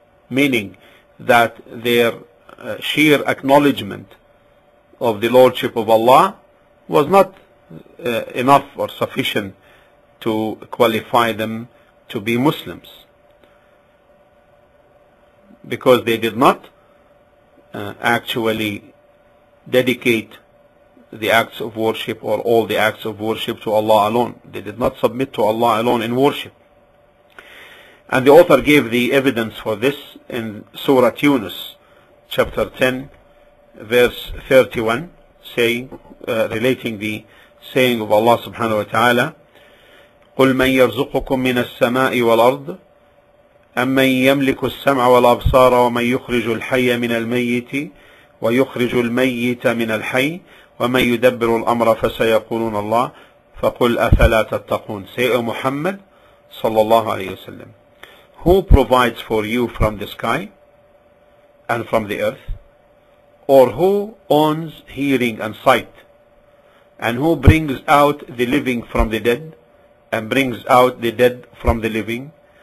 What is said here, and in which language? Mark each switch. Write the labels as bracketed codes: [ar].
[en] Meaning that their sheer acknowledgement of the Lordship of Allah was not enough or sufficient to qualify them to be Muslims. Because they did not actually dedicate the acts of worship or all the acts of worship to Allah alone. They did not submit to Allah alone in worship. And the author gave the evidence for this in Surah Yunus, chapter 10, verse 31, relating the saying of Allah subhanahu wa ta'ala, [ar] قُلْ مَنْ يَرْزُقُكُمْ مِنَ السَّمَاءِ وَالْأَرْضِ أَمَّنْ يَمْلِكُ السَّمْعَ وَالْأَبْصَارَ وَمَنْ يُخْرِجُ الْحَيَّ مِنَ الْمَيِّتِ وَيُخْرِجُ الْمَيِّتَ مِنَ الْحَيِّ وَمَنْ يُدَبِّرُ الْأَمْرَ فَسَيَقُولُونَ اللَّهِ فَقُلْ أَفَلَا تَتَّقُونَ. [en] Say, O Muhammad, صلى الله عليه وسلم, who provides for you from the sky and from the earth? Or who owns hearing and sight? And who brings out the living from the dead and brings out the dead from the living?